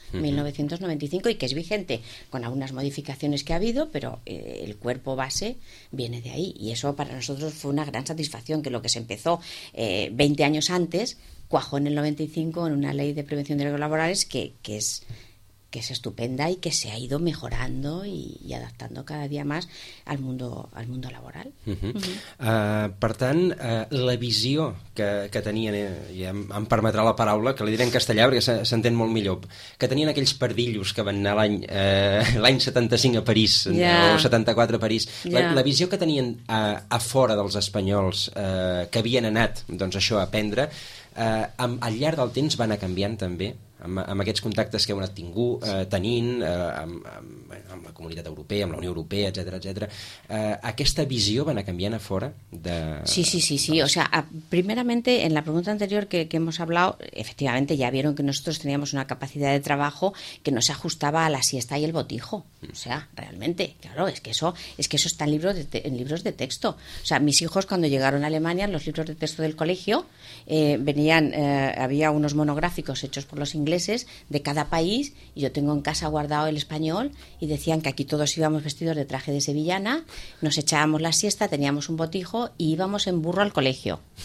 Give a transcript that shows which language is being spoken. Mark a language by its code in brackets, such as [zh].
[es] 1995, y que es vigente, con algunas modificaciones que ha habido, pero el cuerpo base viene de ahí, y eso para nosotros fue una gran satisfacción, que lo que se empezó 20 años antes cuajó en el 95 en una ley de prevención de riesgos laborales que es estupenda, y que se ha ido mejorando y adaptando cada día más al mundo laboral. [ca] Per tant, la visió que tenien, i em permetrà la paraula, que la diré en castellà perquè s'entén molt millor, que tenien aquells perdillos que van anar l'any 75 a París, o 74 a París, la visió que tenien a fora dels espanyols, que havien anat, doncs, això, a aprendre, al llarg del temps va anar canviant també? Amb aquests contactes que heu anat tenint amb la Comunitat Europea, amb la Unió Europea, etcètera, aquesta visió va anar canviant a fora de... [es] Sí. O sea, primeramente, en la pregunta anterior que hemos hablado, efectivamente ya vieron que nosotros teníamos una capacidad de trabajo que no se ajustaba a la siesta y el botijo. O sea, realmente, claro, es que eso está en libros de texto. O sea, mis hijos, cuando llegaron a Alemania, los libros de texto del colegio había unos monográficos hechos por los ingleses de cada país, y yo tengo en casa guardado el español, y decían que aquí todos íbamos vestidos de traje de sevillana, nos echábamos la siesta, teníamos un botijo y íbamos en burro al colegio.